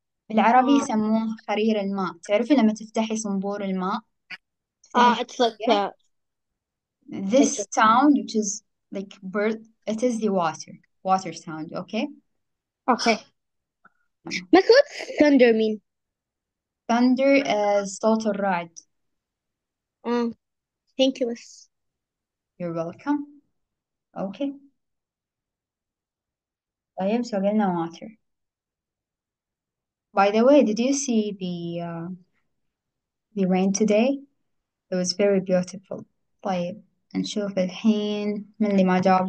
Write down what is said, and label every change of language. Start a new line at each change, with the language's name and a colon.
Arabic: بالعربي يسموه خرير الماء. تعرفي لما تفتحي صنبور الماء؟ تفتحي
English: It's like
Arabic: خرير.
English: that. This sound, which is like burl, it is the water. Water sound, okay? Okay. But what's thunder mean? Thunder is
Arabic: صوت الرعد.
English: Thank you, miss. You're welcome. Okay.
Arabic: طيب so قلنا water.
English: By the way, did you see the rain today? It was very beautiful.
Arabic: طيب نشوف الحين من اللي ما جاوب.